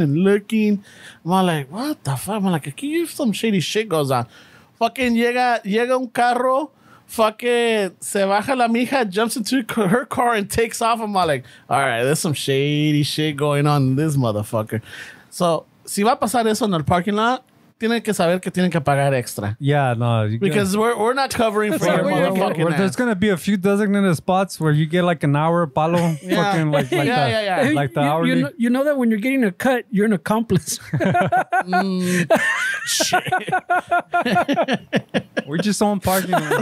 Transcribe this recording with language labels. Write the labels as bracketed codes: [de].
[en] I'm like, what the fuck? I'm like, can you hear some shady shit goes on? Fucking [es] llega un carro. [en] Fucking [es] se baja la mija, [en] jumps into her car and takes off. I'm like, all right, there's some shady shit going on in this motherfucker. [es] So, si va a pasar eso en el parking lot, tienen que saber que tienen que pagar extra. [en] Yeah, no. Because we're not covering for your motherfucking ass. There's going to be a few designated spots where you get like an hour palo. Yeah. Fucking yeah. Like the hourly. You know that when you're getting a cut, you're an accomplice. Shit. We're just on parking.